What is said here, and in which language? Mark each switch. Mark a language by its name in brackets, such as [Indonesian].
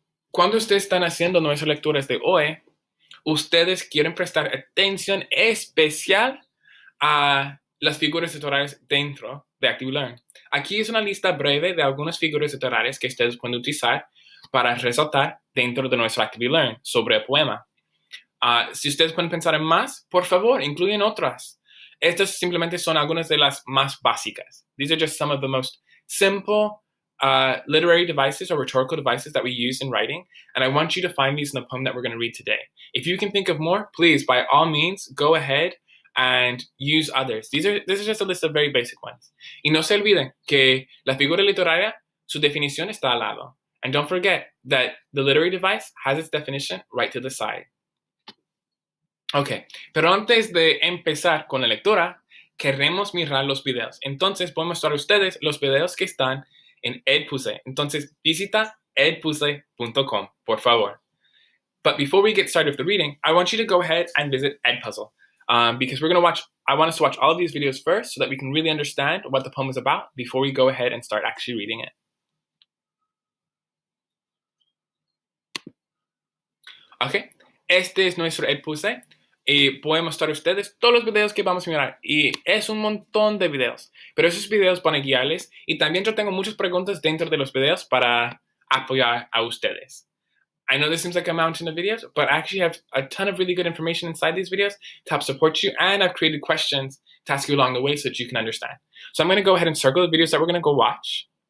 [Spanish] Cuando ustedes están haciendo nuestras lecturas de hoy, ustedes quieren prestar atención especial a las figuras literarias dentro de ActiveLearn. Aquí es una lista breve de algunas figuras literarias que ustedes pueden utilizar para resaltar dentro de nuestro ActiveLearn sobre el poema. Si ustedes pueden pensar en más, por favor, incluyen otras. Estas simplemente son algunas de las más básicas. [English] These are just some of the most simple literary devices or rhetorical devices that we use in writing, and I want you to find these in the poem that we're going to read today. If you can think of more, please, by all means, go ahead and use others. This is just a list of very basic ones. [Spanish] Y no se olviden que la figura literaria, su definición está al lado. [English] And don't forget that the literary device has its definition right to the side. [Spanish] Okay, pero antes de empezar con la lectura, queremos mirar los videos. Entonces, voy a mostrar a ustedes los videos que están en EdPuzzle. Entonces, visita edpuzzle.com, por favor. [English] But before we get started with the reading, I want you to go ahead and visit EdPuzzle. Because we're going to watch, I want us to watch all of these videos first so that we can really understand what the poem is about before we go ahead and start actually reading it. [Spanish] Okay, este es nuestro EdPuzzle. Y pueden mostrar a ustedes todos los videos que vamos a mirar. Y es un montón de videos. Pero esos videos van a guiarles. Y también yo tengo muchas preguntas dentro de los videos para apoyar a ustedes. [English] I know this seems like a mountain of videos, but I actually have a ton of really good information inside these videos to help support you. And I've created questions to ask you along the way so that you can understand. So I'm going to go ahead and circle the videos that we're going to go watch.